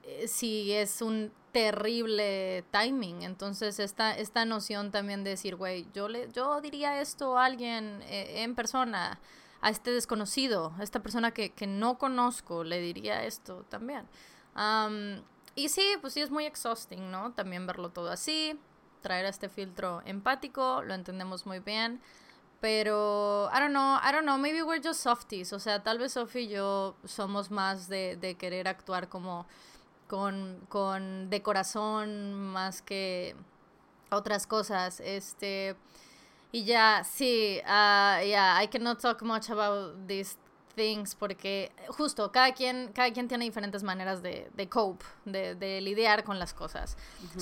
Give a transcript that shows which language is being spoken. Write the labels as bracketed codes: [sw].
[es] si es un terrible timing. Entonces esta noción también de decir, güey, yo diría esto a alguien en persona, a este desconocido, a esta persona que no conozco, le diría esto también. Y sí, pues sí, es muy exhausting, ¿no? También verlo todo así, traer este filtro empático, lo entendemos muy bien. Pero, [en] I don't know, maybe we're just softies. [es] O sea, tal vez Sophie y yo somos más de querer actuar como con de corazón más que otras cosas. Y ya, sí, [en] I cannot talk much about these things [es] porque justo cada quien tiene diferentes maneras de cope, de lidiar con las cosas. Uh-huh.